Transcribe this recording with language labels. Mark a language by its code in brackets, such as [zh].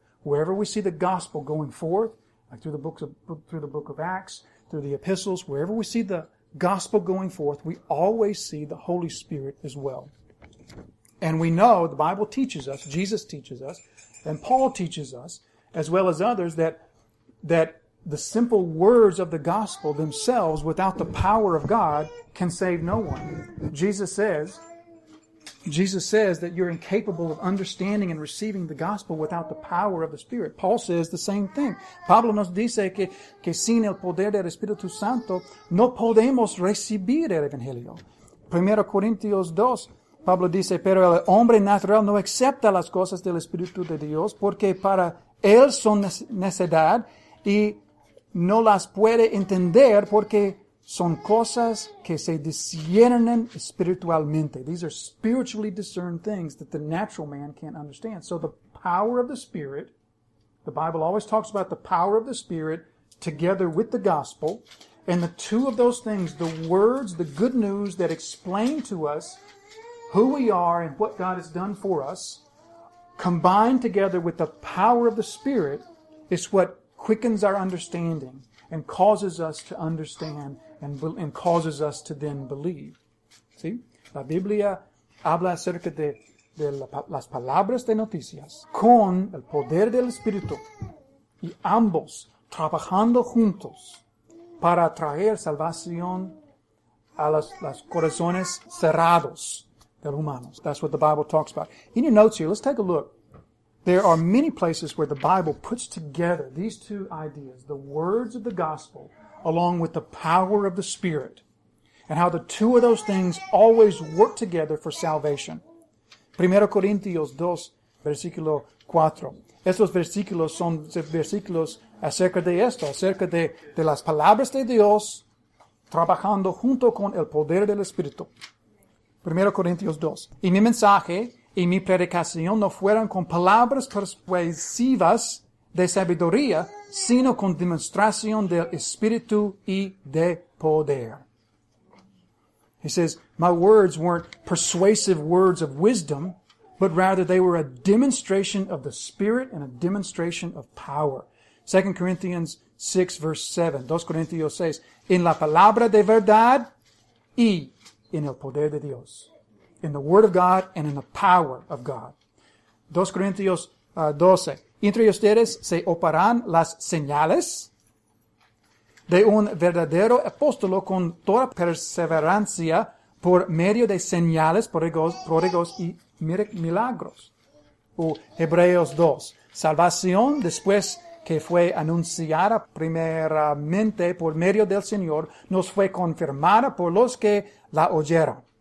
[en] Wherever we see the gospel going forth, like through the book of Acts, through the epistles, wherever we see the gospel going forth, we always see the Holy Spirit as well. And we know, the Bible teaches us, Jesus teaches us, and Paul teaches us, as well as others, that the simple words of the gospel themselves, without the power of God, can save no one. Jesus says that you're incapable of understanding and receiving the gospel without the power of the Spirit. Paul says the same thing. [es] Pablo nos dice que sin el poder del Espíritu Santo no podemos recibir el Evangelio. 1 Corintios 2, Pablo dice, pero el hombre natural no acepta las cosas del Espíritu de Dios porque para él son necedad y no las puede entender porque son cosas que se disciernen espiritualmente. [en] These are spiritually discerned things that the natural man can't understand. So the power of the Spirit, the Bible always talks about the power of the Spirit together with the gospel, and the two of those things, the words, the good news that explain to us who we are and what God has done for us, combined together with the power of the Spirit, is what quickens our understanding and causes us to understand and causes us to then believe. [es] ¿Sí? La Biblia habla acerca de las palabras de noticias con el poder del Espíritu y ambos trabajando juntos para traer salvación a las corazones cerrados del humano. [en] That's what the Bible talks about. In your notes here, let's take a look. There are many places where the Bible puts together these two ideas, the words of the gospel along with the power of the Spirit, and how the two of those things always work together for salvation. [es] 1 Corintios 2, versículo 4. Estos versículos son versículos acerca de esto, acerca de las palabras de Dios trabajando junto con el poder del Espíritu. 1 Corintios 2. Y mi mensaje y mi predicación no fueron con palabras persuasivas de sabiduría, sino con demostración del Espíritu y de poder. [en] He says, my words weren't persuasive words of wisdom, but rather they were a demonstration of the Spirit and a demonstration of power. 2 Corinthians 6, verse 7. 2 Corinthians says, [es] en la palabra de verdad y en el poder de Dios. [en] In the Word of God and in the power of God. 2 Corinthians 12. [es] Entre ustedes se operan las señales de un verdadero apóstolo con toda perseverancia por medio de señales, prodigios y milagros. O Hebreos 2. Salvación después que fue anunciada primeramente por medio del Señor, nos fue confirmada por los que la oyeron.